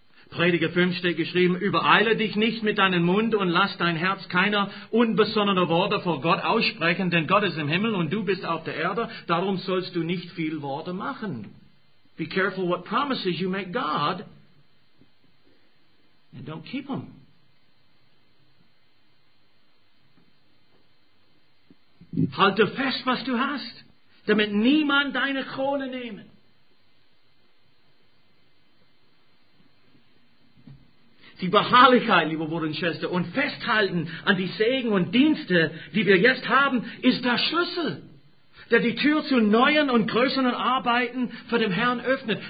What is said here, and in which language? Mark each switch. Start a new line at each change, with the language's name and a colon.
German: Prediger 5 steht geschrieben: Übereile dich nicht mit deinem Mund und lass dein Herz keiner unbesonnene Worte vor Gott aussprechen, denn Gott ist im Himmel und du bist auf der Erde, darum sollst du nicht viel Worte machen.
English: Be careful what promises you make God and don't keep them.
German: Halte fest, was du hast, damit niemand deine Krone nehmen. Die Beharrlichkeit, liebe Bruder und Schwester, und Festhalten an die Segen und Dienste, die wir jetzt haben, ist der Schlüssel, der die Tür zu neuen und größeren Arbeiten für den Herrn öffnet.